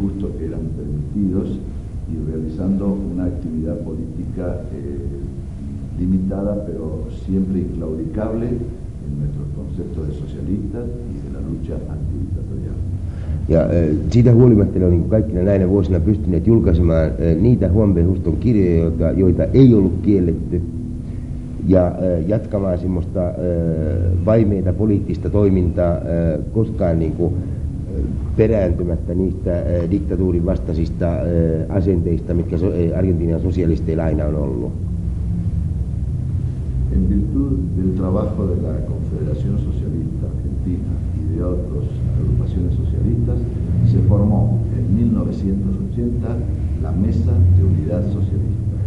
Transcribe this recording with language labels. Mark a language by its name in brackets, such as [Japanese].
[Spanish] Justo que eran permitidos y realizando una actividad política limitada, pero siempre inclaudicable en nuestros conceptos de socialistas y de la lucha antidictatorial. [Finnish] Ja siitä huolimatta ne on niin kaikkina näinä vuosina pystyneet julkaisemaan niitä Juan B. Juston kirjoja, joita ei ollut kielletty, ja jatkamaan semmoista vaimeita poliittista toimintaa koskaan niin kuin perääntymättä niistä diktatuurin vastaisista asenteista, mitkä Argentiinan sosialisteilla aina on ollut. [Spanish] En virtud del trabajo de la Confederación Socialista Argentina y de otras agrupaciones socialistas, se formó en 1980 la Mesa de Unidad Socialista.